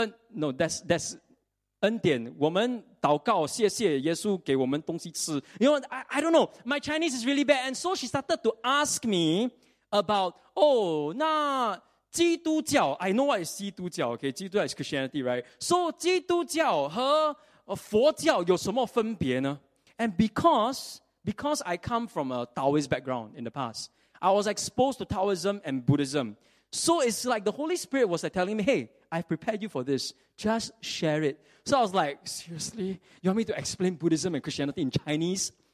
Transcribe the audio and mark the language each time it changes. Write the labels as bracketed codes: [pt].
[en] No, that's [zh] 恩典, 我们祷告, 谢谢耶稣给我们东西吃, [en] you know, I don't know. My Chinese is really bad. And so she started to ask me about, oh, [zh] 那基督教, [en] I know what is 基督教, okay? 基督教 is Christianity, right? [zh] So 基督教和佛教有什么分别呢? [en] And because I come from a Taoist background in the past, I was exposed to Taoism and Buddhism. So it's like the Holy Spirit was like telling me, hey, I've prepared you for this. Just share it. So I was like, seriously? You want me to explain Buddhism and Christianity in Chinese?